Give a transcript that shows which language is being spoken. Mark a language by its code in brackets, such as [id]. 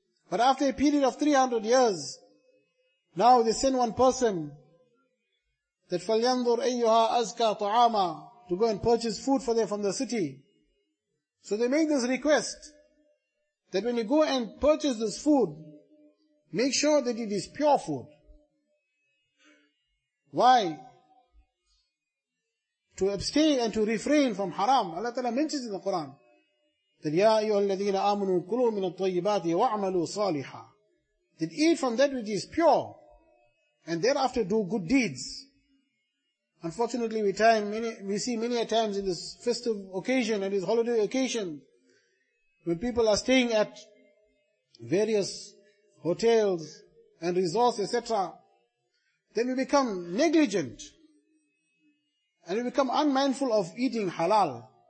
[en] But after a period of 300 years, now they send one person, that [ar] فَلْيَنْظُرْ أَيُّهَا أَزْكَى طُعَامًا, [en] to go and purchase food for them from the city. So they make this request, that when you go and purchase this food, make sure that it is pure food. Why? To abstain and to refrain from haram. Allah Ta'ala mentions in the Quran that [ar] يَا أَيُّهَا الَّذِينَ آمُنُوا كُلُوا مِنَ الطَّيِّبَاتِ وَعْمَلُوا صَالِحًا. [en] That eat from that which is pure and thereafter do good deeds. Unfortunately, we see many a times in this festive occasion and this holiday occasion when people are staying at various hotels and resorts, etc., then we become negligent and we become unmindful of eating halal.